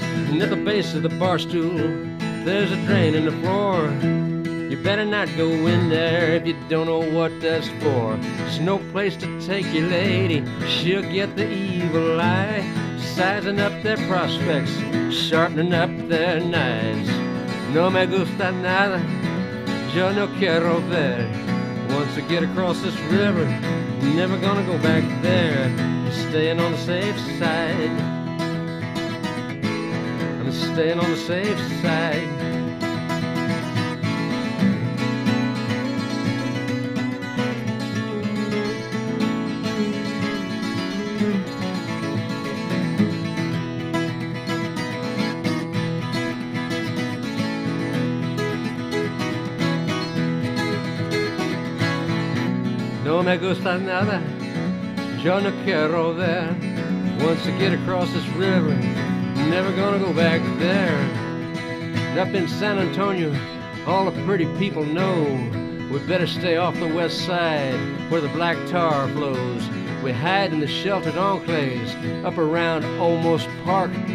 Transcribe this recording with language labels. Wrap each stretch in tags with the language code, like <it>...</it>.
<en>And at the base of the bar stool, there's a drain in the floor. You better not go in there if you don't know what that's for. There's no place to take your lady, she'll get the evil eye. Sizing up their prospects, sharpening up their knives.</en> <es>No me gusta nada, yo no quiero ver.</es> <en>Once I get across this river, never gonna go back there. I'm staying on the safe side. I'm staying on the safe side.</en> <es>No me gusta nada, yo no quiero ver.</es> <en>Once I get across this river, never gonna go back there. And up in San Antonio, all the pretty people know we better stay off the west side where the black tar flows. We hide in the sheltered enclaves up around Olmos Park.</en>